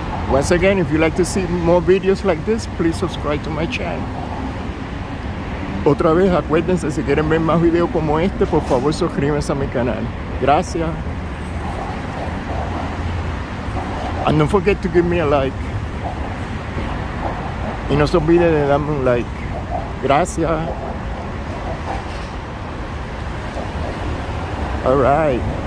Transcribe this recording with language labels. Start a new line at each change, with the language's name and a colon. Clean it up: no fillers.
English: Once again, if you like to see more videos like this, please subscribe to my channel.
Spanish: Otra vez, acuérdense, si quieren ver más videos como este, por favor suscríbanse a mi canal. Gracias.
English: And don't forget to give me a like.
Spanish: Y no se olviden de darme un like. Gracias.
English: All right.